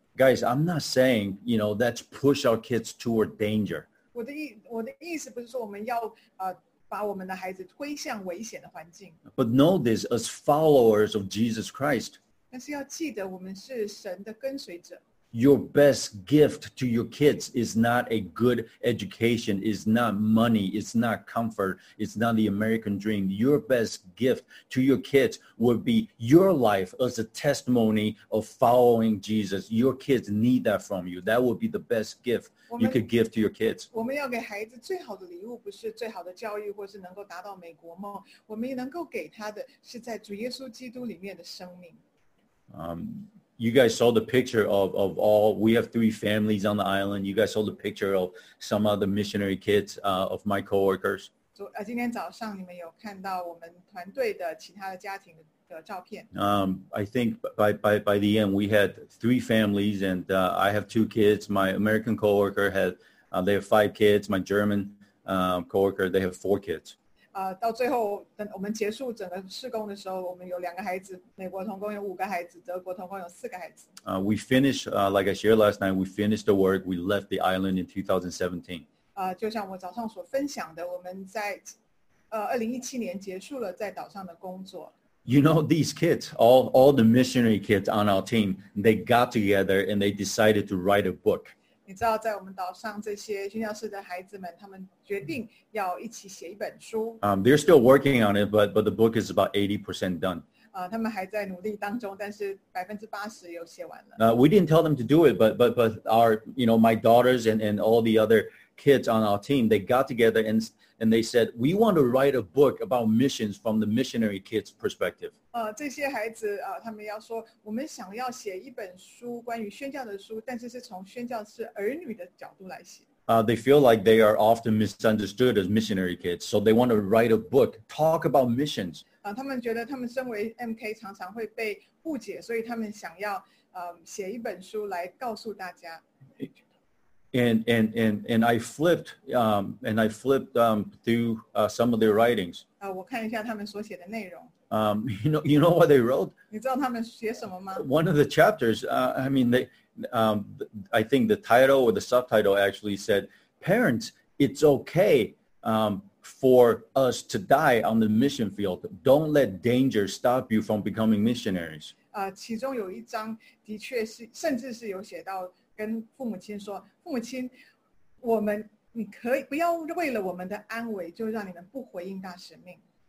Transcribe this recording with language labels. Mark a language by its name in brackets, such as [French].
[English] Guys, I'm not saying, you know, let's push our kids toward danger. [Chinese] 我的意思不是说我们要把我们的孩子推向危险的环境。 [English] But know this, as followers of Jesus Christ, [Chinese] 但是要记得我们是神的跟随者。 [English] Your best gift to your kids is not a good education, is not money, it's not comfort, it's not the American dream. Your best gift to your kids would be your life as a testimony of following Jesus. Your kids need that from you. That would be the best gift you could give to your kids. [Chinese] 我们要给孩子最好的礼物，不是最好的教育，或是能够达到美国梦。我们能够给他的是在主耶稣基督里面的生命。 [English] You guys saw the picture of all, we have three families on the island. You guys saw the picture of some of the missionary kids of my coworkers. [Chinese] 今天早上你们有看到我们团队的其他的家庭的照片。 [English] I think by the end, we had three families and I have two kids. My American coworker had, they have five kids. My German coworker, they have four kids. [Chinese] 到最后等我们结束整个事工的时候，我们有两个孩子，美国同工有五个孩子，德国同工有四个孩子。 [English] We finished, like I shared last night, we finished the work, we left the island in 2017. [Chinese] 就像我早上所分享的，我们在2017年结束了在岛上的工作。 [English] You know, these kids, all the missionary kids on our team, they got together and they decided to write a book. [Chinese] 你知道，在我们岛上这些宣教士的孩子们，他们决定要一起写一本书。 [English] They're still working on it, but the book is about 80% done. [Chinese] 他们还在努力当中，但是80%有写完了。 [English] We didn't tell them to do it, but our, you know, my daughters and all the other kids on our team, they got together and they said, we want to write a book about missions from the missionary kids' perspective. [Chinese] 这些孩子他们要说，我们想要写一本书，关于宣教的书，但是是从宣教士儿女的角度来写。 [English] They feel like they are often misunderstood as missionary kids, so they want to write a book, talk about missions. [Chinese] 他们觉得他们身为 MK 常常会被误解，所以他们想要写一本书来告诉大家。 [English] And I flipped through some of their writings. [Chinese] 我看一下他们所写的内容。 [English] You know what they wrote? [Chinese] 你知道他们写什么吗？ [English] One of the chapters. I think the title or the subtitle actually said, "Parents, it's okay for us to die on the mission field. Don't let danger stop you from becoming missionaries." [Chinese] 其中有一章的确是，甚至是有写到。跟父母亲说，父母亲，我们你可以不要为了我们的安危就让你们不回应大使命。